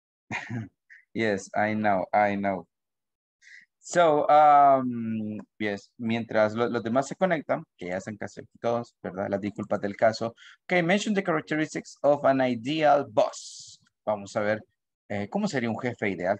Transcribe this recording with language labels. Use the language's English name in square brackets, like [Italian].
[English] Okay. Yes, I know. So, yes, [Spanish] mientras los demás se conectan, que ya están casi todos, ¿verdad? Las disculpas del caso. [English] Okay, mention the characteristics of an ideal boss. [Spanish] Vamos a ver cómo sería un jefe ideal.